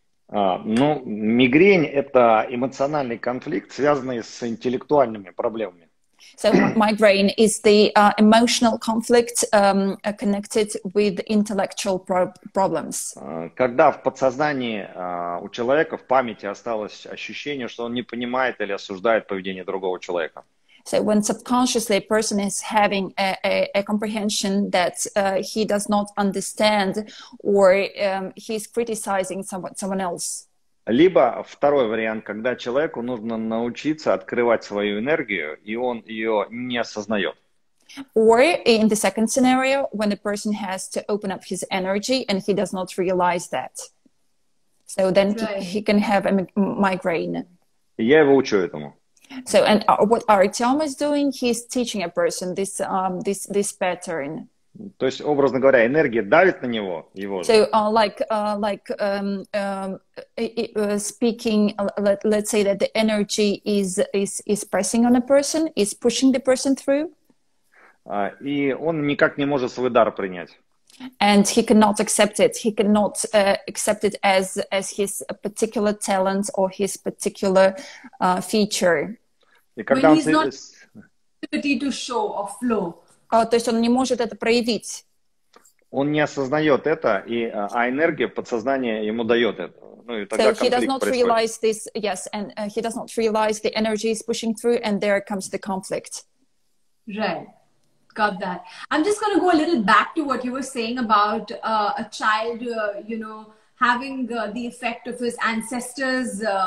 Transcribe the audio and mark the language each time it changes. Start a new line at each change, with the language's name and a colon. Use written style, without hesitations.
Russian: Ну, мигрень – это эмоциональный конфликт, связанный с интеллектуальными проблемами.
English: So migraine is the emotional conflict connected with intellectual problems.
Russian: Когда в подсознании у человека в памяти осталось ощущение, что он не понимает или осуждает поведение другого человека.
English: So when subconsciously a person is having a comprehension that he does not understand or he's criticizing someone else.
Russian: Либо второй вариант, когда человеку нужно научиться открывать свою энергию, и он ее не осознает.
English: Or in the second scenario, when a person has to open up his energy and he does not realize that. So then he can have a migraine.
Russian: Я его учу этому.
English: So and what Artyom is doing, he's teaching a person this pattern.
Russian: То есть, образно говоря, энергия давит на него, его же.
English: So, speaking, let's say that the energy is pressing on a person, is pushing the person through.
Russian: И он никак не может свой дар принять.
English: And he cannot accept it. He cannot accept it as his particular talent or his particular feature.
Russian: И когда
English: When he's not ability to show or flow.
Russian: То есть он не может это проявить. Он не осознает это, а энергия подсознания ему дает это. Ну, и тогда
English: so he does not realize this, yes, and he does not realize the energy is pushing through, and there comes the conflict. Right. Got that. I'm just going to go a little back to what you were saying about a child, you know, having the effect of his ancestors'